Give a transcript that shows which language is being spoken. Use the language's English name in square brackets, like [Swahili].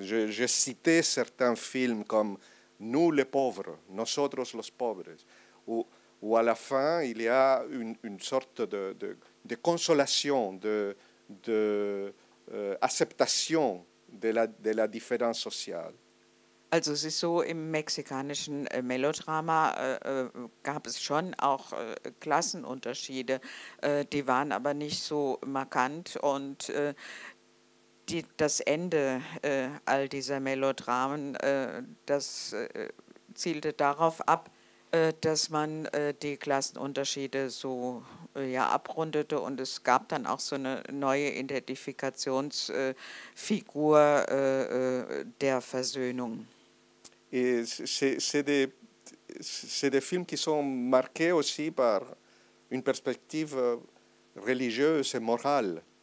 [French] J'ai cité certains films comme « Nous les pauvres »,« Nosotros los pobres », où à la fin, il y a une sorte de consolation, d'acceptation de la différence sociale. [German] Also es ist so, im mexikanischen Melodrama gab es schon auch Klassenunterschiede, die waren aber nicht so markant und das Ende all dieser Melodramen, das zielte darauf ab, dass man die Klassenunterschiede so abrundete und es gab dann auch so eine neue Identifikationsfigur der Versöhnung. [French] Et c'est des films qui sont marqués aussi par une perspective religieuse et morale.